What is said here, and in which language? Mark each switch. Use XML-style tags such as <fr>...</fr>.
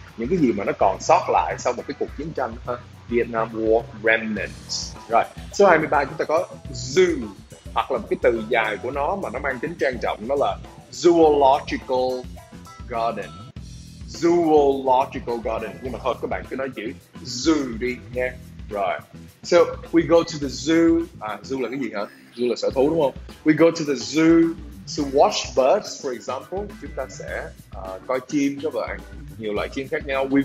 <vi>Những cái gì mà nó còn sót lại sau một cái cuộc chiến tranh ha? Vietnam War Remnants. Rồi, số 23 chúng ta có zoo. hoặc là một cái từ dài của nó mà nó mang tính trang trọng, đó là Zoological Garden. Zoological Garden. Nhưng mà thôi các bạn cứ nói chữ zoo đi nha.</vi> <en>Right. So we go to the zoo.</en> <vi>À, zoo là cái gì hả? Zoo là sở thú đúng không?</vi> <en>We go to the zoo to watch birds, for example.</en> <vi>Chúng ta sẽ coi chim các bạn. Nhiều loại chim khác nhau.</vi>